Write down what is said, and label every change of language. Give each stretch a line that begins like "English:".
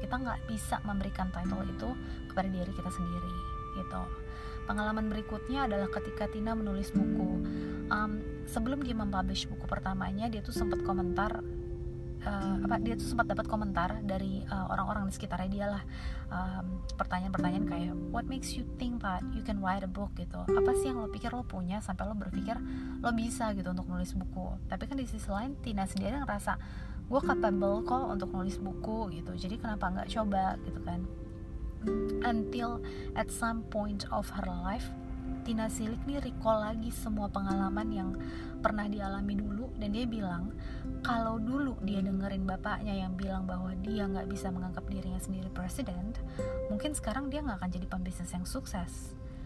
Indonesian: Kita gak bisa memberikan title itu kepada diri kita sendiri gitu. Pengalaman berikutnya adalah ketika Tina menulis buku. Sebelum dia mempublish buku pertamanya, dia tuh sempat komentar dia tuh sempat dapat komentar dari orang-orang di sekitarnya dia lah. Pertanyaan-pertanyaan kayak,
English: what makes you think that you can write a book gitu?
Indonesian: Apa sih yang lo pikir lo punya sampai lo berpikir lo bisa gitu untuk nulis buku? Tapi kan di sisi lain Tina sendiri ngerasa, gue capable kok untuk nulis buku gitu, jadi kenapa gak coba gitu kan.
English: Until at some point of her life,
Indonesian: Tina Silik nih recall lagi semua pengalaman yang pernah dialami dulu, dan dia bilang kalau dulu dia dengerin bapaknya yang bilang bahwa dia gak bisa menganggap dirinya sendiri president, mungkin sekarang dia gak akan jadi pembisnis yang sukses.